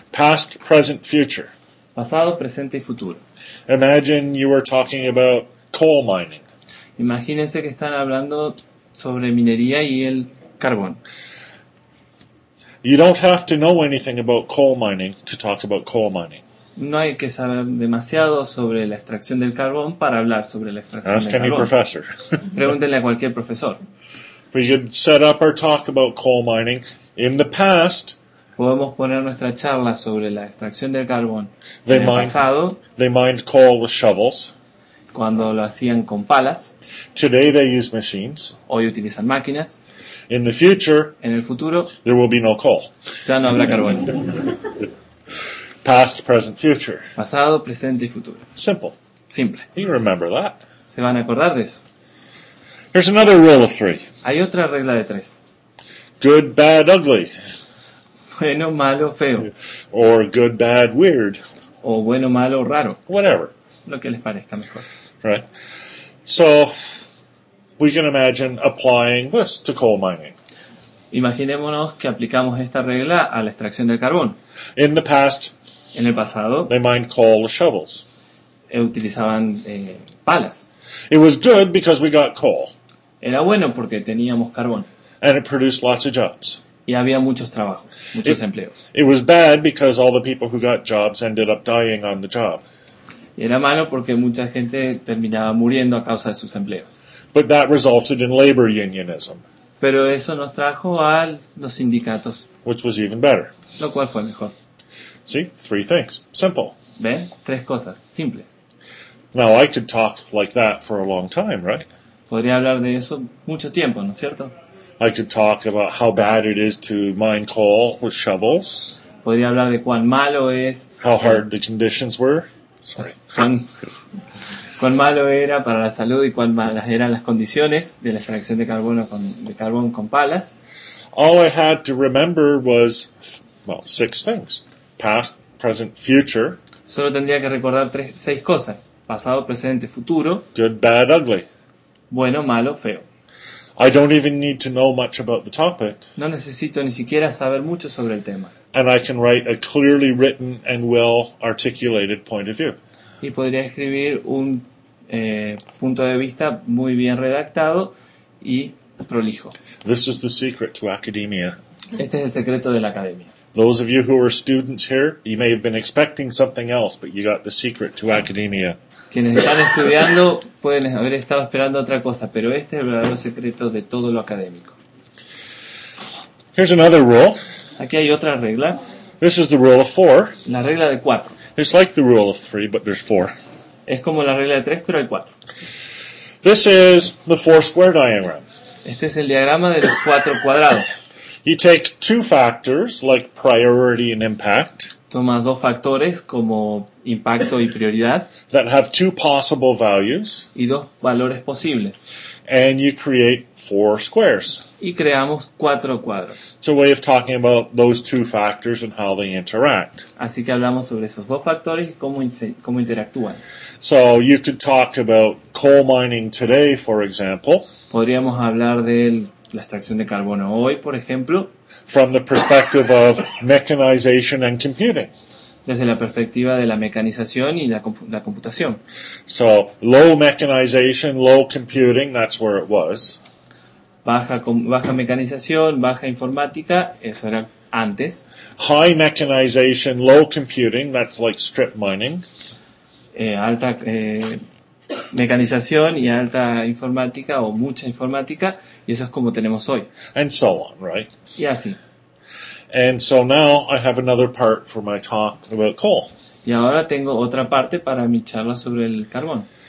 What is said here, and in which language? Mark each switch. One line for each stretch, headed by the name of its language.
English: Past, present, future.
Spanish: Pasado, presente y futuro.
English: Imagine you were talking about coal mining.
Spanish: Imagínense que están hablando sobre minería y el carbón.
English: You don't have to know anything about coal mining to talk about coal mining.
Spanish: No hay que saber demasiado sobre la extracción del carbón para hablar sobre la extracción del carbón.
English: Ask any professor.
Spanish: Pregúntenle a cualquier profesor.
English: We should set up our talk about coal mining in the past.
Spanish: Podemos poner nuestra charla sobre la extracción del carbón en el pasado.
English: They mined coal with shovels.
Spanish: Cuando lo hacían con palas.
English: Today they use machines.
Spanish: Hoy utilizan máquinas.
English: In the future,
Spanish: en el futuro,
English: there will be no coal.
Spanish: Ya no habrá carbón.
English: Past, present, future.
Spanish: Pasado, presente y futuro.
English: Simple.
Spanish: Simple.
English: You remember that.
Spanish: Se van a acordar de eso.
English: Here's another rule of three.
Spanish: Hay otra regla de tres.
English: Good, bad, ugly.
Spanish: Bueno, malo, feo.
English: Or good, bad, weird.
Spanish: O bueno, malo, raro.
English: Whatever.
Spanish: Lo que les parezca mejor.
English: Right. So, we can imagine applying this to coal mining.
Spanish: Imaginémonos que aplicamos esta regla a la extracción del carbón.
English: In the past,
Spanish: en el pasado,
English: they mined coal with shovels.
Spanish: Utilizaban palas.
English: It was good because we got coal.
Spanish: Era bueno porque teníamos carbón.
English: And it produced lots of jobs.
Spanish: Y había muchos trabajos, muchos empleos.
English: It was bad because all the people who got jobs ended up dying on the job.
Spanish: Y era malo porque mucha gente terminaba muriendo a causa de sus empleos.
English: But that resulted in labor unionism.
Spanish: Pero eso nos trajo a los sindicatos.
English: Which was even better.
Spanish: Lo cual fue mejor.
English: See, three things. Simple.
Spanish: ¿Ven? Tres cosas. Simple.
English: Now, I could talk like that for a long time, right?
Spanish: Podría hablar de eso mucho tiempo, ¿no es cierto?
English: I could talk about how bad it is to mine coal with shovels.
Spanish: Podría hablar de cuán malo es.
English: How hard the conditions were. Sorry.
Spanish: Cuán malo era para la salud y cuán malas eran las condiciones de la extracción de carbono con de carbón con palas.
English: All I had to remember was, well, six things: past, present, future.
Spanish: Solo tendría que recordar seis cosas: pasado, presente, futuro.
English: Good, bad, ugly.
Spanish: Bueno, malo, feo.
English: I don't even need to know much about the topic.
Spanish: No necesito ni siquiera saber mucho sobre el tema.
English: And I can write a clearly written and well articulated point of view.
Spanish: Y podría escribir un punto de vista muy bien redactado y prolijo.
English: This is the secret to academia.
Spanish: Este es el secreto de la academia.
English: Those of you who are students here, you may have been expecting something else, but you got the secret to academia.
Spanish: Quienes están estudiando pueden haber estado esperando otra cosa, pero este es el verdadero secreto de todo lo académico.
English: Here's another rule.
Spanish: Aquí hay otra regla.
English: This is the rule of four.
Spanish: La regla de cuatro.
English: It's like the rule of three, but there's four.
Spanish: Es como la regla de tres, pero hay cuatro.
English: This is the four-square diagram.
Spanish: Este es el diagrama de los cuatro cuadrados.
English: You take two factors, like priority and impact.
Spanish: Tomas dos factores como impacto y prioridad.
English: That have two possible values.
Spanish: Y dos valores posibles.
English: And you create four squares.
Spanish: Y creamos cuatro cuadros.
English: It's a way of talking about those two factors and how they interact.
Spanish: Así que hablamos sobre esos dos factores y cómo interactúan.
English: So you could talk about coal mining today, for example.
Spanish: Podríamos hablar de la extracción de carbono hoy, por ejemplo.
English: From the perspective of mechanization and computing.
Spanish: Desde la perspectiva de la mecanización y la computación.
English: So, low mechanization, low computing, that's where it was.
Spanish: Baja mecanización, baja informática, eso era antes.
English: High mechanization, low computing, that's like strip mining.
Spanish: Mecanización y alta informática o mucha informática, y eso es como tenemos hoy.
English: And so on, right?
Spanish: Y así.
English: And so now I have another part for my talk about coal.
Spanish: Y ahora tengo otra parte para mi charla sobre el carbón.